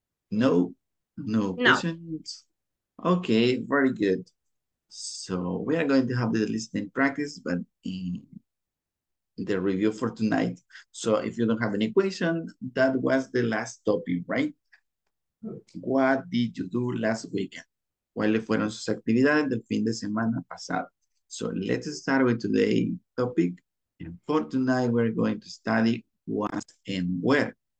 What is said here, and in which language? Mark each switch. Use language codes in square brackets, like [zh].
[en] No questions? Okay, very good. So we are going to have the listening practice, but the review for tonight. So if you don't have any question, that was the last topic, right? What did you do last weekend? [es] ¿Cuáles fueron sus actividades del fin de semana pasado? [en] So let's start with today's topic. And for tonight, we're going to study what and where.